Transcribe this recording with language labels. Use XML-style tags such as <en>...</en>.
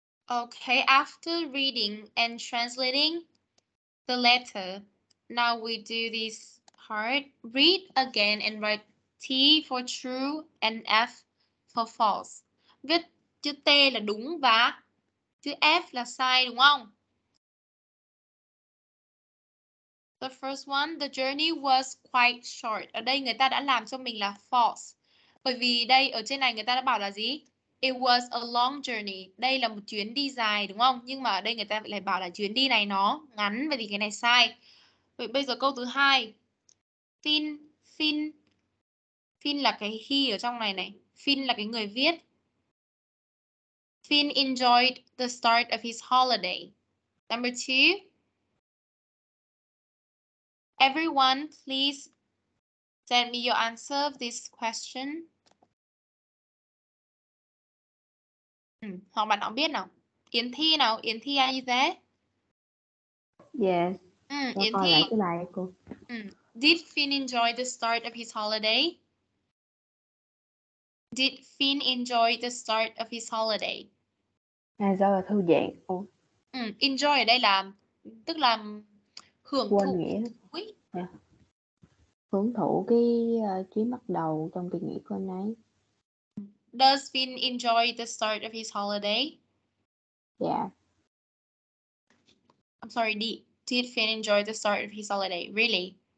<en>Okay, after reading and translating the letter, now we do this part. Read again and write T for true and F for false.</en> <vi>Viết chữ T là đúng và chữ F là sai, đúng không?</vi> <en>The first one, the journey was quite short.</en> <vi>Ở đây người ta đã làm cho mình là false. Bởi vì đây, ở trên này người ta đã bảo là gì?</vi> <en>It was a long journey.</en> <vi>Đây là một chuyến đi dài, đúng không? Nhưng mà ở đây người ta lại bảo là chuyến đi này nó ngắn. Vậy thì cái này sai. Vậy bây giờ câu thứ hai. Finn là cái he ở trong này này. Finn là cái người viết.</vi> <en>Finn enjoyed the start of his holiday. Number two. Everyone, please send me your answer of this question.</en> <vi>Hoặc bạn nào biết nào? Yến Thi nào? Yến Thi ai như thế?</vi> <en>Yes.</en> <vi>Yến Thi.</vi> <en>Did Finn enjoy the start of his holiday? Did Finn enjoy the start of his holiday?</en> <vi>À, do là thư giãn. Enjoy ở đây là tức là hưởng quên thụ. Nghĩa. Hưởng thụ cái chuyến bắt đầu trong kỳ nghỉ của anh ấy.</vi> <en>Does Finn enjoy the start of his holiday? Yeah. I'm sorry, did Finn enjoy the start of his holiday? Really?</en>